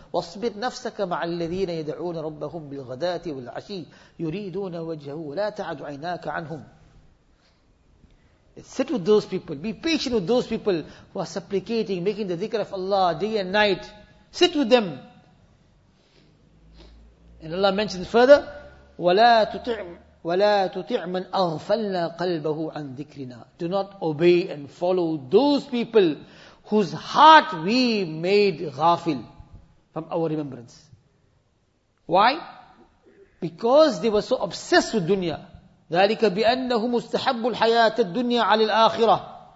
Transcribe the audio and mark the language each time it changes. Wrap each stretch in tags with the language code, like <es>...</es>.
<ar>وَاصْبِرْ نَفْسَكَ مَعَ الَّذِينَ يَدْعُونَ رَبَّهُمْ بِالْغَدَاةِ وَالْعَشِيِّ يُرِيدُونَ وَجْهَهُ وَلَا تَعَدُ عَيْنَاكَ عَنْهُمْ.</ar> <en>Sit with those people. Be patient with those people who are supplicating, making the dhikr of Allah day and night. Sit with them. And Allah mentions further,</en> <ar>وَلَا تُطِعْ مَنْ أَغْفَلْنَا قَلْبَهُ عَنْ ذِكْرِنَا.</ar> <en>Do not obey and follow those people whose heart we made ghafil from our remembrance. Why? Because they were so obsessed with dunya.</en> <ar>ذَلِكَ بِأَنَّهُمُ اسْتَحَبُّ الْحَيَاةَ الدُّنْيَا عَلِ الْآخِرَةِ.</ar>